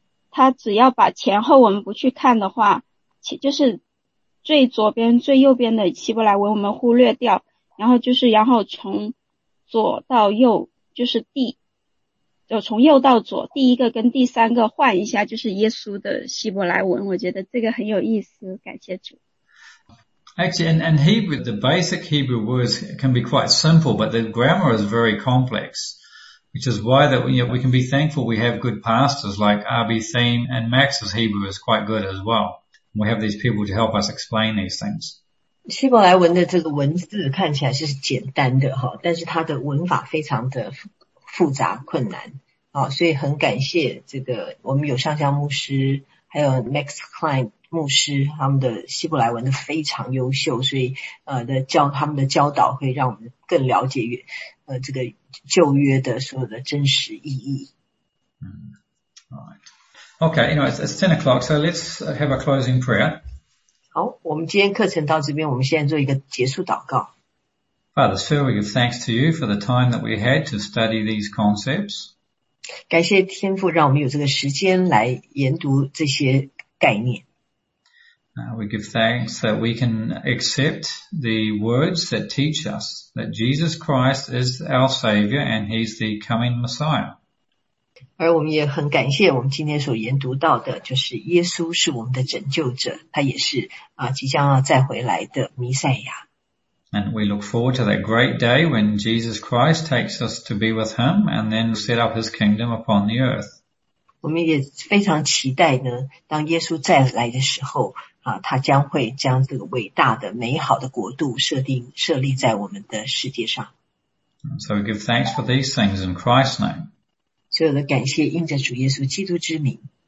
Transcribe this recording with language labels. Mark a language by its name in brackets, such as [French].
[Chinese] 他只要把前后文不去看的话，就是最左边最右边的希伯来文我们忽略掉，然后就是然后从左到右，就是第就从右到左，第一个跟第三个换一下，就是耶稣的希伯来文。我觉得这个很有意思，感谢主。 [English] Actually, in Hebrew, the basic Hebrew words can be quite simple, but the grammar is very complex, which is why that you know, we can be thankful we have good pastors like R.B. Thiem, and Max's Hebrew is quite good as well. We have these people to help us explain these things. [Chinese] 希伯来文的这个文字看起来是简单的，但是它的文法非常的复杂困难，所以很感谢这个我们有上校牧师还有 Max Klein 牧师，他们的希伯来文的非常优秀，所以他们的教导会让我们更了解这个旧约的所有的真实意义。 [English] Okay, anyway, it's 10 o'clock, so let's have a closing prayer. [Chinese] 好，我们今天课程到这边，我们现在做一个结束祷告。 [English] Father, sir, we give thanks to you for the time that we had to study these concepts. [Chinese] 感谢天父让我们有这个时间来研读这些概念。 [English] We give thanks that we can accept the words that teach us that Jesus Christ is our Savior and He's the coming Messiah. [Chinese] 而我们也很感谢我们今天所研读到的，就是耶稣是我们的拯救者，他也是即将要再回来的弥赛亚。 [English] And we look forward to that great day when Jesus Christ takes us to be with Him and then set up His kingdom upon the earth. [Chinese] 我们也非常期待呢，当耶稣再来的时候他将会将这个伟大的美好的国度设立在我们的世界上。 [English] So we give thanks for these things in Christ's name. [Chinese] 所有的感谢应着主耶稣基督之名。